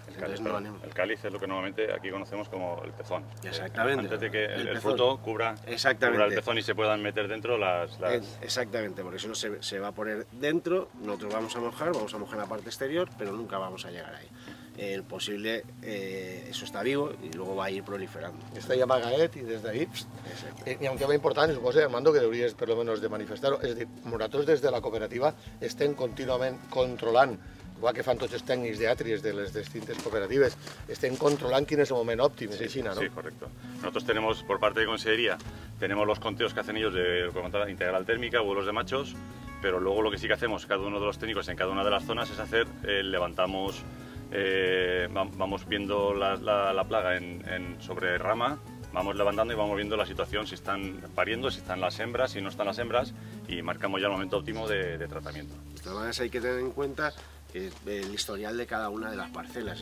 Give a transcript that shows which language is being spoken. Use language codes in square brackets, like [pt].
[ca] El càlix és el que [es] normalmente aquí conocemos como el pezón. Exactamente. Antes de que el fruto cubra el pezón y se puedan meter dentro las... Exactamente, porque si no se va a poner dentro, nosotros vamos a mojar la parte exterior, pero nunca vamos a llegar ahí. [ca] El possible, això està viu i després va anar proliferant. Està ja amagat i des d'ahir... Hi ha un tema important, suposo, Armando, que hauries per almenys de manifestar-ho. És a dir, nosaltres des de la cooperativa estem contínuament controlant, igual que fan tots els tècnics d'Atries de les distintes cooperatives, estem controlant quin és el moment òptim, és així, no? Sí, correcte. Nosaltres tenim, per part de conselleria, tenim els conteos que fan ells de integral tèrmica, [es] vuelos de machos, [ca] però després el que sí que fem cada un dels tècnics en cada una de les zones és fer, [es] levantamos... vamos viendo la plaga en sobre rama, vamos levantando y vamos viendo la situación, si están pariendo, si están las hembras, si no están las hembras, y marcamos ya el momento óptimo de tratamiento. De todas maneras, hay que tener en cuenta el historial de cada una de las parcelas.